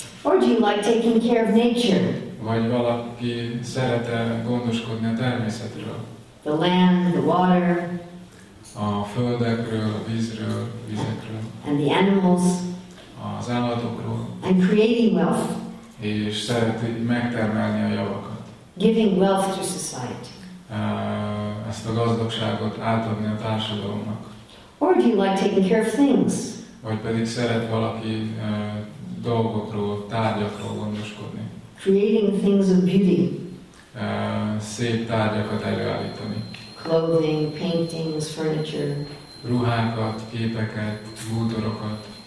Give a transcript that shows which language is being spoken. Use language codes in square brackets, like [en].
[en] Or do you like taking care of nature? [hu] Vagy valaki szeret-e gondoskodni a természetről? [en] The land, the water. [hu] A földekről, a vízről, vizekről. [en] And the animals. [hu] Az állatokról. [en] And creating wealth. [hu] És szereti megtermelni a javakat. [en] Giving wealth to society. [hu] Ezt a gazdagságot átadni a társadalomnak. [en] Or do you like taking care of things? [hu] Vagy pedig szeret valaki dolgokról, tárgyakról gondoskodni. [en] Creating things of beauty. [hu] Szép tárgyakat előállítani. [en] Clothing, paintings, furniture. [hu] Ruhákat, képeket, bútorokat.